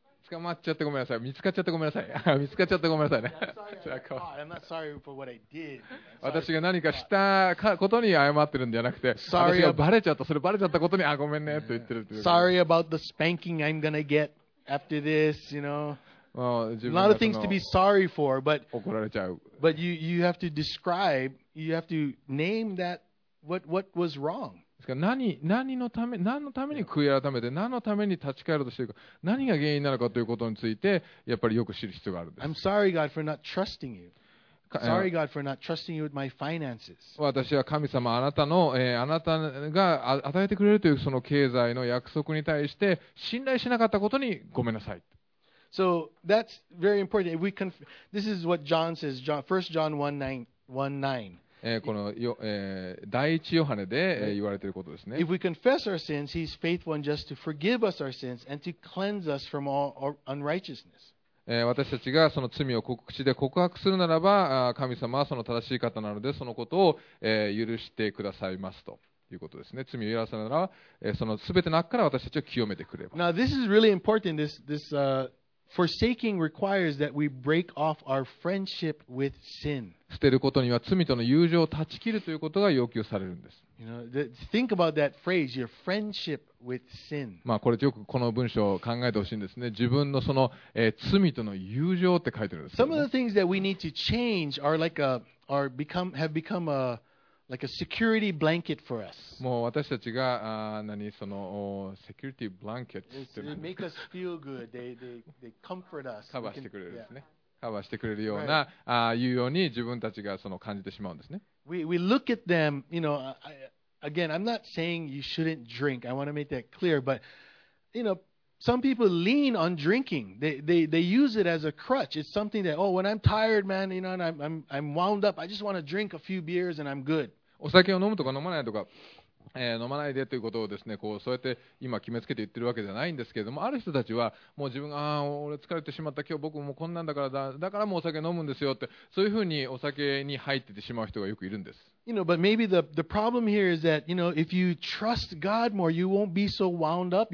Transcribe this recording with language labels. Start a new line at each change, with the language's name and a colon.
Japanese: 捕まっちゃってごめんなさい。見つかっちゃってごめんなさい。見つかっちゃってごめんなさいね。
English: I'm not sorry for what I did.
Japanese: 私が何かしたことに謝ってるんじゃなくて、私がバレちゃった、それバレちゃったことに、あ、ごめんねと言ってるって。
English: Sorry about the spanking I'm gonna get after this, you know. A lot of things to be sorry for, but
Japanese: 怒られちゃう。
English: But you have to describe, you have to name that what was wrong.
Japanese: ですから何のために悔い改めて何のために立ち返ろうとしているか何が原因なのかということについてやっぱりよく知る必要があるんです。
English: I'm sorry God for not trusting you. Sorry God for not trusting you with my finances.
Japanese: 私は神様あなたが与えてくれるというその経済の約束に対して信頼しなかったことにごめんなさい。
English: So that's very important. If we this is what John says. First John 1:9.
Japanese: この第一ヨハネで言われていることですね。
English: If we confess our sins, he's faithful and just to forgive us our sins and to cleanse us from all unrighteousness.
Japanese: 私たちがその罪を口で告白するならば、神様はその正しい方なので、そのことを許してくださいますということですね。罪を許さないなら、そのすべての悪から私たちを清めてくれば。
English: Now this is really important. This forsaking requires that we break off our friendship with sin.
Japanese: 捨てることには罪との友情を断ち切るということが要求されるんです。
English: You know, think about that phrase, your friendship with sin.
Japanese: まあこれよくこの文章を考えてほしいんですね。自分のその、罪との友情って書いてるんです。
English: Some of the things that we need to change are like a are become have become a like a security blanket for us.
Japanese: もう私たちが何そのセキュリティブランケットって。
English: It make us feel good. They comfort us.
Japanese: カバーしてくれるんですね。カバーしてくれるような、right. ああいうように自分たちがその感じてしまうんですね。
English: We look at them, you know. Again, I'm not saying you shouldn't drink. I want to make that clear. But you know, some people lean on drinking. They use it as a crutch. It's something that, oh, when I'm tired, man, you know, and I'm wound up, I just want to drink a few beers and I'm good.
Japanese: お酒を飲むとか飲まないとか。飲まないでということをですね、こうそうやって今決めつけて言ってるわけじゃないんですけれども、ある人たちはもう自分が、ああ俺疲れてしまった、今日僕もこんなんだからだからもうお酒飲むんですよって、そういうふうにお酒に入っててしまう人がよくいるんです。
English: You know, but maybe the problem here is that, you know, if you trust God more, you won't be so wound up.